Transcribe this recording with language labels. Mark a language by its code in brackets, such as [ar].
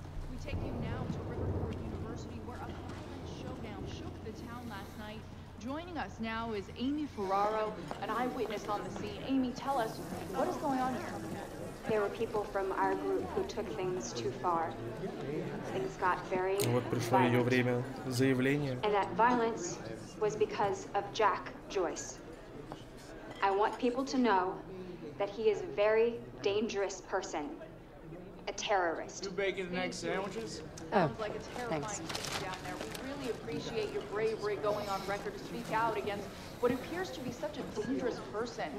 [en] We take you now to Riverport University, where a violent showdown shook the town last night. Joining us now is Amy Ferraro, an eyewitness on the scene. Amy, tell us, what is going on here? There were people from our group who took things too far. Things got very violent. [ru] Вот пришло ее время заявления. [en] And that violence was because of Jack Joyce. I want people to know that he is a very dangerous person, a terrorist. You baking the next sandwiches? Sounds like a terrifying down there. We really appreciate your bravery going on record to speak out against what appears to be such a dangerous person.